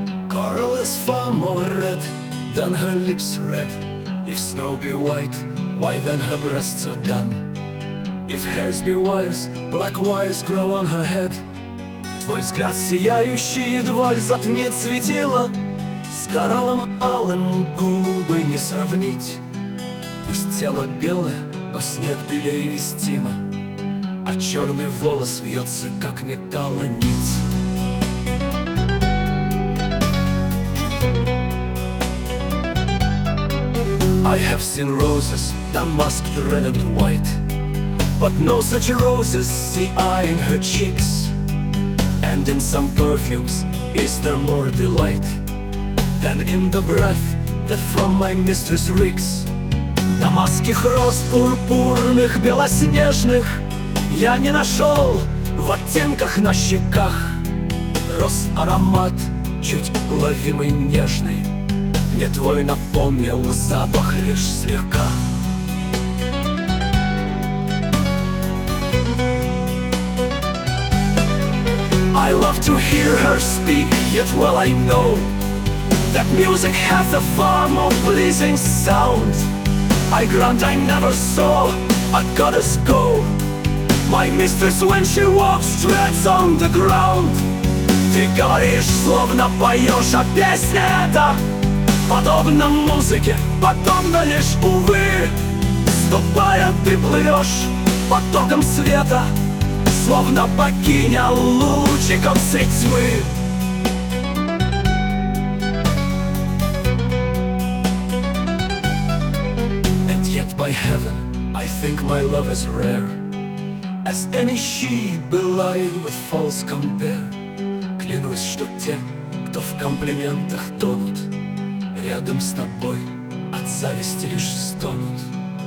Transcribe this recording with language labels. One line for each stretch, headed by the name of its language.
English: Coral is far more red than her lips red. If snow be white, why then her breasts are dun? If hairs be wires, black wires grow on her head.
Russian: Твой взгляд сияющий едва ли затмит светило. С кораллом алым губы не сравнить. Пусть тело белое, но снег белее вестимо, а черный волос вьется, как металла нить.
English: I have seen roses that masked red and white, but no such roses see I in her cheeks. And in some perfumes is there more delight than in the breath that from my mistress reeks.
Russian: Дамасских роз пурпурных, белоснежных я не нашел в оттенках на щеках. Рос аромат чуть уловимый нежный, мне твой напомнил запах лишь слегка.
English: I love to hear her speak, yet well I know that music has a far more pleasing sound. I grant I never saw a goddess go. My mistress, when she walks, treads on the ground.
Russian: Ты говоришь, словно поешь, а песня эта подобна музыке, подобна лишь, увы. Ступая, ты плывешь потоком света, словно богиня лучиком средь тьмы.
English: And yet by heaven, I think my love is rare, as any she belied with false compare.
Russian: Клянусь, что те, кто в комплиментах тонут, рядом с тобой от зависти лишь стонут.